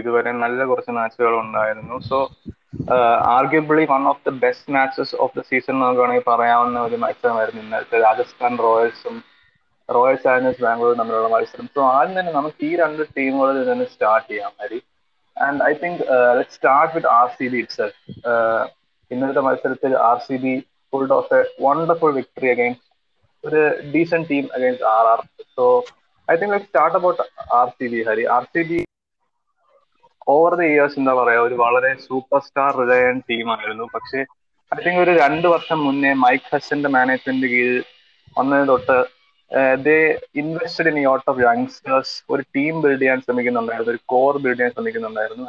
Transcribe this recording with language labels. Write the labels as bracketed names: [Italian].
[Malayalam] ഇതുവരെ നല്ല കുറച്ച് മാച്ചുകൾ ഉണ്ടായിരുന്നു. [English] so arguably one of the best matches of the season [Malayalam] നോക്കുകയാണെങ്കിൽ പറയാവുന്ന ഒരു മത്സരമായിരുന്നു ഇന്നലത്തെ രാജസ്ഥാൻ റോയൽസും റോയൽ ചാലഞ്ചേഴ്സ് ബാംഗ്ലൂരും തമ്മിലുള്ള മത്സരം. സോ ആദ്യം തന്നെ നമുക്ക് ഈ രണ്ട് ടീമുകളിൽ നിന്ന് സ്റ്റാർട്ട് ചെയ്യാം Hari. [English] And I think let's start with RCB itself. [Malayalam] ഇന്നത്തെ മത്സരത്തിൽ [English] RCB pulled off a wonderful victory against ഒരു decent team against RR. So I think let's start about RCB [Malayalam] Hari. RCB over the years എന്താ പറയാ, ഒരു വളരെ super star റിലയൻ ടീമായിരുന്നു. പക്ഷേ I think ഒരു 2 വർഷം മുന്നേ മൈക്ക് ഹസ്സന്റെ മാനേജ്മെന്റ് കീഴിൽ വന്നതിന് തൊട്ട് [English] they invested in lot of youngsters, [Malayalam] ഒരു ടീം ബിൽഡ് ചെയ്യാൻ ശ്രമിക്കുന്നുണ്ടായിരുന്നു, ഒരു കോർ ബിൽഡ് ചെയ്യാൻ ശ്രമിക്കുന്നുണ്ടായിരുന്നു.